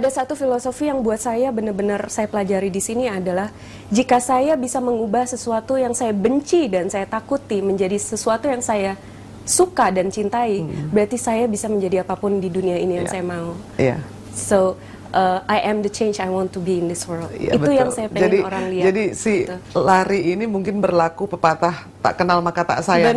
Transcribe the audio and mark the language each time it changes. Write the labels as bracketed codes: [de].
[id] Ada satu filosofi yang buat saya benar-benar saya pelajari di sini adalah, jika saya bisa mengubah sesuatu yang saya benci dan saya takuti menjadi sesuatu yang saya suka dan cintai, berarti saya bisa menjadi apapun di dunia ini yang saya mau. [en] So, I am the change I want to be in this world. [id] Ya, itu betul. Yang saya pengen orang lihat. Jadi si lari ini mungkin berlaku pepatah tak kenal maka tak sayang.